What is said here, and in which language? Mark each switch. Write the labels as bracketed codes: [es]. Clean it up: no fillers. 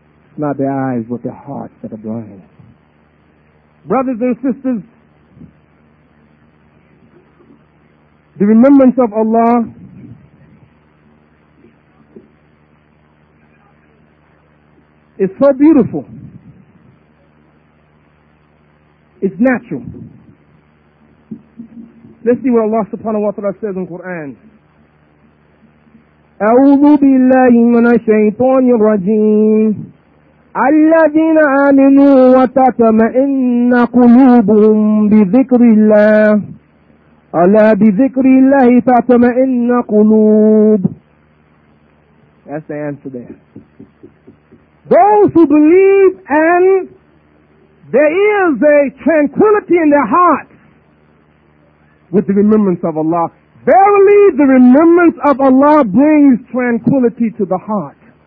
[en] It's not the eyes but the hearts that are blind. Brothers and sisters, the remembrance of Allah is so beautiful. It's natural. Let's see what Allah subhanahu wa ta'ala says in Quran. [ar] أعوذ بالله من الشيطان الرجيم. الذين آمنوا وتطمئن قلوبهم بذكر الله. ألا بذكر الله تطمئن قلوب. [en] That's the answer there. Those who believe and there is a tranquility in their hearts with the remembrance of Allah. Verily, the remembrance of Allah brings tranquility to the heart.